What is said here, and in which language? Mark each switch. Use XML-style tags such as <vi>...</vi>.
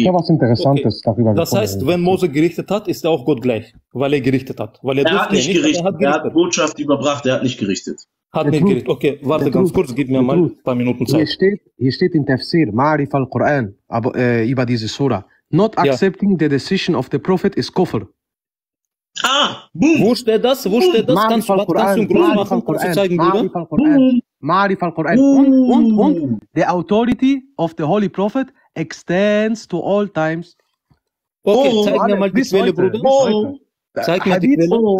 <de>Ich habe was Interessantes darüber gesprochen. Das heißt, wenn Mose gerichtet hat, ist er auch Gott gleich, weil er gerichtet hat. Weil er hat nicht gerichtet. Er hat Botschaft überbracht, er hat nicht gerichtet. Hat nicht gerichtet. Okay, warte ganz kurz, gib mir mal ein paar Minuten Zeit. Hier steht in Tafsir, Ma'arif al-Quran, über diese Sura.</de> <en>Not accepting the decision of the Prophet is kufr.</en> <de>Wo steht das? Wo steht das? Kannst du ein Groß machen, kurz zeigen, Bruder?</de> <en>Ma'arif al-Quran.</en> <de>Und</de> <en>the authority of the Holy Prophet extends to all times.</en> <de>Okay, zeig mir mal die Quelle, Bruder. Zeig mir die Quelle.</de>